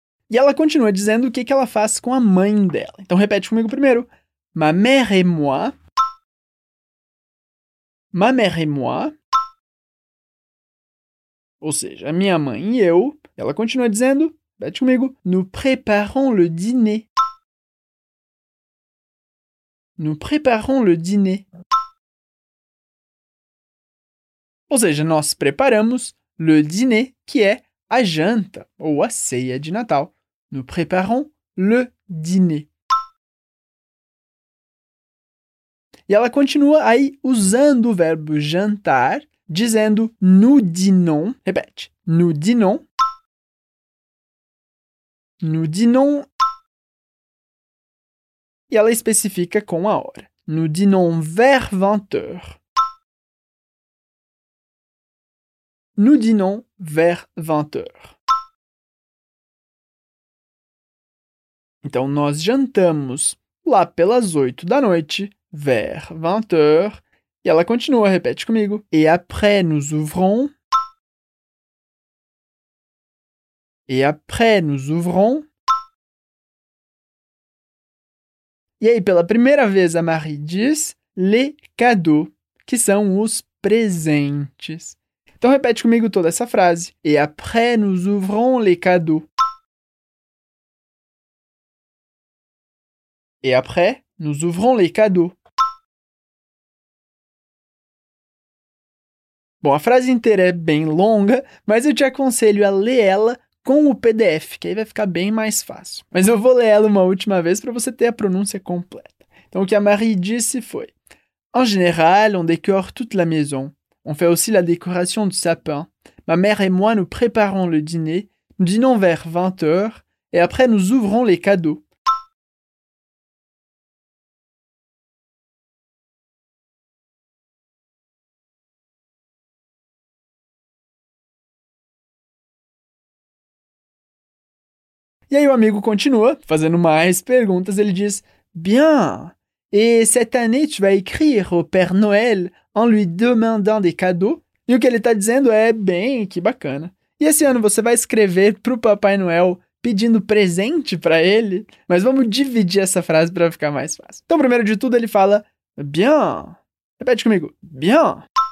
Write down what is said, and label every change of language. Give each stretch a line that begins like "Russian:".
Portuguese: E ela continua dizendo o que, que ela faz com a mãe dela. Então repete comigo primeiro.
French: Ma mère et moi. Ma mère et moi.
Portuguese: Ou seja, minha mãe e eu. Ela continua dizendo, repete comigo.
French: Nous préparons le dîner. Nous préparons le dîner.
Portuguese: Ou seja, nós preparamos
French: le dîner,
Portuguese: que é a janta ou a ceia de Natal.
French: Nous préparons le dîner.
Portuguese: E ela continua aí usando o verbo jantar, dizendo
French: nous dînons.
Portuguese: Repete. Nous dînons.
French: Nous dînons.
Portuguese: E ela especifica com a hora.
French: Nous dînons vers 20h. Nous dînons vers 20h.
Portuguese: Então, nós jantamos lá pelas 8 da noite,
French: vers 20h.
Portuguese: E ela continua, repete comigo.
French: Et après, nous ouvrons. Et après, nous ouvrons.
Portuguese: E aí, pela primeira vez, a Marie diz
French: les cadeaux,
Portuguese: que são os presentes. Então, repete comigo toda essa frase.
French: Et après, nous ouvrons les cadeaux. Et après, nous ouvrons les cadeaux.
Portuguese: Bom, a frase inteira é bem longa, mas eu te aconselho a ler ela com o PDF, que aí vai ficar bem mais fácil. Mas eu vou ler ela uma última vez para você ter a pronúncia completa. Então, o que a Marie disse foi:
French: En général, on décore toute la maison. On fait aussi la décoration du sapin. Ma mère et moi, nous préparons le dîner. Nous dînons vers 20h. Et après, nous ouvrons les cadeaux.
Portuguese: E aí o amigo continua fazendo mais perguntas. Ele diz,
French: bien, et cette année tu vas écrire au Père Noël en lui demandant des cadeaux?
Portuguese: E o que ele está dizendo é, bem, que bacana. E esse ano você vai escrever para o Papai Noel pedindo presente para ele? Mas vamos dividir essa frase para ficar mais fácil. Então, primeiro de tudo, ele fala,
French: bien.
Portuguese: Repete comigo,
French: bien.